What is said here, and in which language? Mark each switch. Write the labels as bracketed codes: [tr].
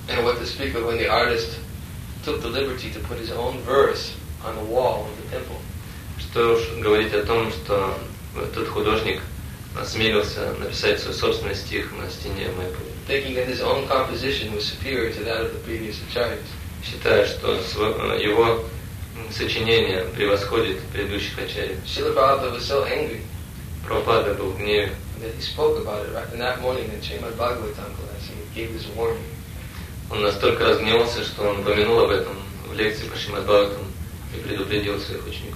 [en] And what to speak of when the artist took the liberty to put his own verse on the wall of the temple. [ru] Что уж говорить о том, что этот художник осмелился написать свой собственный стих на стене Майпури. [en] Thinking that his own composition was superior to that of the previous acharyas. [ru] Считая, что его сочинение превосходит предыдущих ачарьев. [en] Srila Prabhupada was so angry. [ru] Прабхупада был в гневе. [en] That he spoke about it right in that morning in Srimad Bhagavatam class. He gave his warning. [ru] Он настолько разгневался, что он упомянул об этом в лекции по Шримад Бхагаватам и предупредил своих учеников.